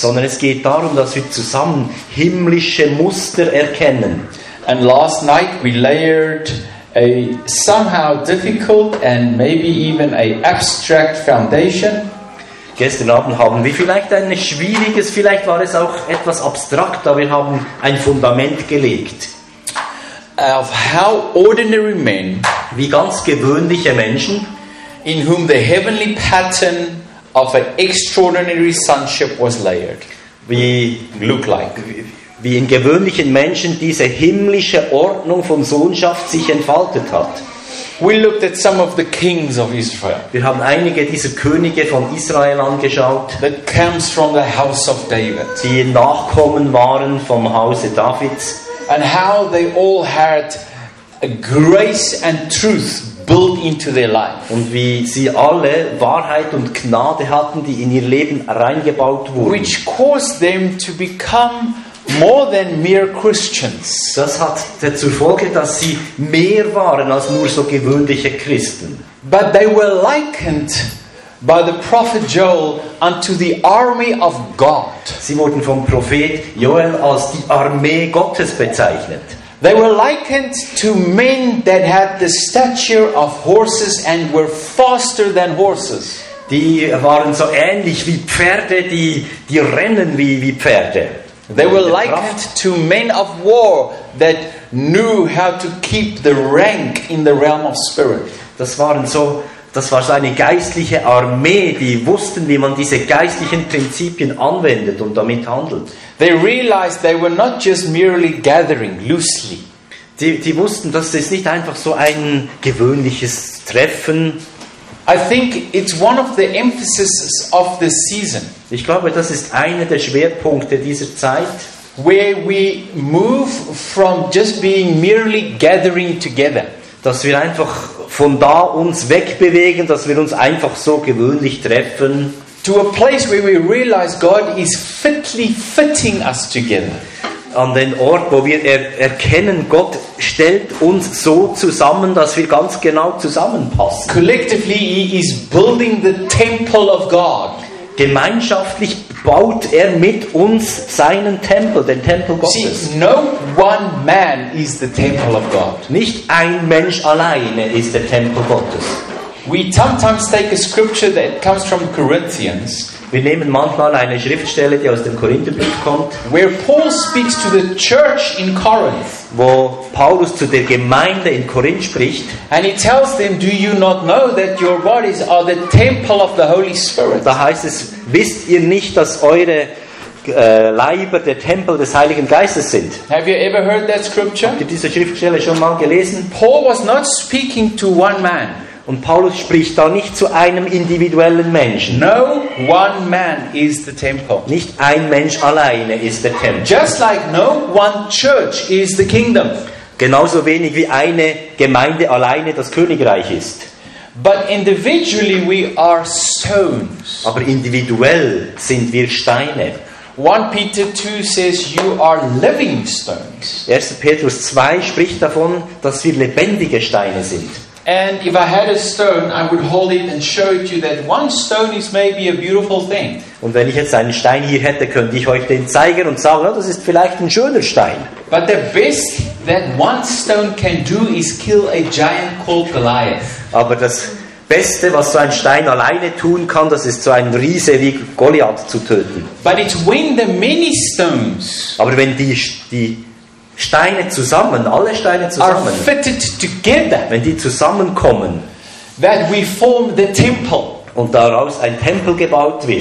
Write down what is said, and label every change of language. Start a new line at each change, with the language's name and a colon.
German: Sondern es geht darum, dass wir zusammen himmlische Muster erkennen.
English: And last night we layered a somehow difficult and maybe even a abstract foundation.
German: Gestern Abend haben wir vielleicht ein schwieriges, vielleicht war es auch etwas abstrakt, aber wir haben ein Fundament gelegt.
English: Of how ordinary men,
German: wie ganz gewöhnliche Menschen,
English: in whom the heavenly pattern of an extraordinary sonship was layered.
German: Wie in gewöhnlichen Menschen diese himmlische Ordnung von Sohnschaft sich entfaltet hat.
English: We looked at some of the kings of Israel.
German: Wir haben einige dieser Könige von Israel angeschaut.
English: That comes from the house of David.
German: Die Nachkommen waren vom Hause Davids.
English: And how they all had a grace and truth built into their life.
German: Und wie sie alle Wahrheit und Gnade hatten, die in ihr Leben reingebaut wurden.
English: Which caused them to become more than mere Christians.
German: Das hat dazu Folge, dass sie mehr waren als nur so gewöhnliche Christen.
English: But they were likened by the prophet Joel unto the army of God.
German: Sie wurden vom Prophet Joel als die Armee Gottes bezeichnet.
English: They were likened to men that had the stature of horses and were faster than horses.
German: Die waren so ähnlich wie Pferde, die rennen wie Pferde.
English: They were likened to men of war that knew how to keep the rank in the realm of spirit.
German: Das war so eine geistliche Armee, die wussten, wie man diese geistlichen Prinzipien anwendet und damit handelt.
English: They realized they were not just merely gathering loosely.
German: Die wussten, dass es nicht einfach so ein gewöhnliches Treffen.
English: I think it's one of the emphases of the season.
German: Ich glaube, das ist einer der Schwerpunkte dieser Zeit,
English: where we move from just being merely gathering together.
German: Dass wir einfach von da uns wegbewegen, dass wir uns einfach so gewöhnlich treffen.
English: To a place where we realize God is fitly fitting us together.
German: An den Ort, wo wir erkennen, Gott stellt uns so zusammen, dass wir ganz genau zusammenpassen.
English: Collectively he is building the temple of God.
German: Gemeinschaftlich baut er mit uns seinen Tempel, den Tempel Gottes.
English: See, no one man is the temple of God.
German: Nicht ein Mensch alleine ist der Tempel Gottes.
English: We sometimes take a scripture that comes from Corinthians.
German: Wir nehmen manchmal eine Schriftstelle, die aus dem Korintherbrief kommt,
English: where Paul speaks to the church in Corinth,
German: wo Paulus zu der Gemeinde in Korinth spricht.
English: And he tells them, do you not know that your bodies are the temple of the Holy Spirit?
German: Da heißt es, wisst ihr nicht, dass eure Leiber der Tempel des Heiligen Geistes sind?
English: Have you ever heard that scripture?
German: Habt ihr diese Schriftstelle schon mal gelesen?
English: Paul was not speaking to one man.
German: Und Paulus spricht da nicht zu einem individuellen Menschen.
English: No one man is the temple.
German: Nicht ein Mensch alleine ist der Tempel.
English: Just like no one church is the kingdom.
German: Genauso wenig wie eine Gemeinde alleine das Königreich ist.
English: But individually we are stones.
German: Aber individuell sind wir Steine.
English: 1 Peter 2 says you are living stones.
German: 1. Petrus 2 spricht davon, dass wir lebendige Steine sind.
English: And if I had a stone, I would hold it and show it to you that one stone is maybe a beautiful thing.
German: Und wenn ich jetzt einen Stein hier hätte, könnte ich euch den zeigen und sagen, oh, das ist vielleicht ein schöner Stein.
English: But the best that one stone can do is kill a giant called Goliath.
German: Aber das Beste, was so ein Stein alleine tun kann, das ist so ein Riese wie Goliath zu töten.
English: But it's when the many stones.
German: Aber wenn die Steine zusammen, alle Steine zusammen,
English: are fitted together,
German: wenn die zusammenkommen,
English: that we form the temple,
German: und daraus ein Tempel gebaut wird,